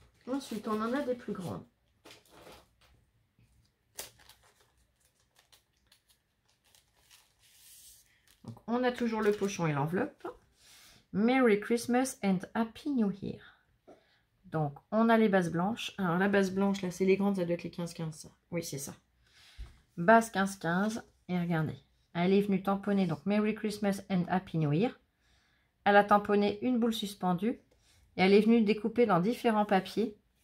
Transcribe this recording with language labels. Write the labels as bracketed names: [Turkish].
[French] Ensuite, on en a des plus grandes. On a toujours le pochon et l'enveloppe. [English] Merry Christmas and Happy New Year. [French] Donc, on a les bases blanches. Alors, la base blanche, là, c'est les grandes, ça doit être les 15-15. Oui, c'est ça. Base 15-15. Et regardez, elle est venue tamponner. Donc, [English] Merry Christmas and Happy New Year. [French] Elle a tamponné une boule suspendue. Et elle est venue découper dans différents papiers.